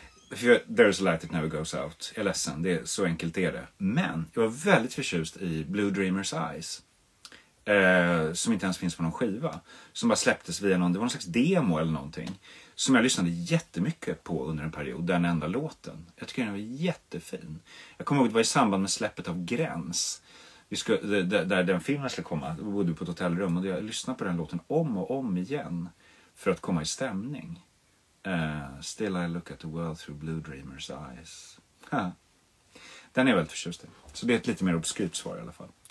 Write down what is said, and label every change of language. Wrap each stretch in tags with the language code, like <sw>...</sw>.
<en>There's a light that never goes out.</en> <sv>Jag är ledsen, det är, så enkelt är det. Men jag var väldigt förtjust i Blue Dreamer's Eyes. Som inte ens finns på någon skiva. Som bara släpptes via någon, det var någon slags demo eller någonting. Som jag lyssnade jättemycket på under en period, den enda låten. Jag tycker den var jättefin. Jag kommer ihåg att det var i samband med släppet av Gräns. Där den filmen skulle komma. Då bodde på ett hotellrum och jag lyssnade på den låten om och om igen. För att komma i stämning.</sv> <en>Still I look at the world through Blue Dreamer's eyes.</en> <sv>Den är väldigt förtjust. Så det är ett lite mer obskyrt svar i alla fall.</sv>